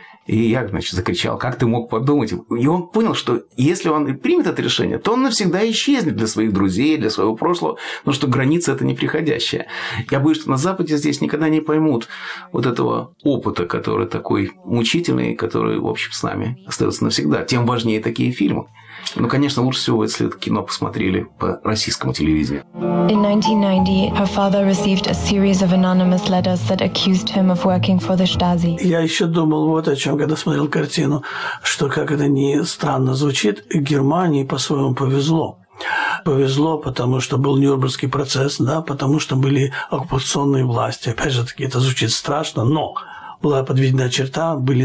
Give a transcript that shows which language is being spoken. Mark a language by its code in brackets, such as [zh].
[ru] И я, значит, закричал, как ты мог подумать? И он понял, что если он примет это решение, то он навсегда исчезнет для своих друзей, для своего прошлого, потому что граница – это непреходящая. Я боюсь, что на Западе здесь никогда не поймут вот этого опыта, который такой мучительный, который, в общем, с нами остается навсегда. Тем важнее такие фильмы. Ну, конечно, лучше всего, если это кино посмотрели по российскому телевидению. [en] In 1990, her father received a series of anonymous letters that accused him of working for the Stasi. [ru] Я еще думал вот о чем, когда смотрел картину, что, как это ни странно звучит, Германии по-своему повезло. Повезло, потому что был Нюрнбергский процесс, да, потому что были оккупационные власти. Опять же таки, это звучит страшно, но была подведена черта, были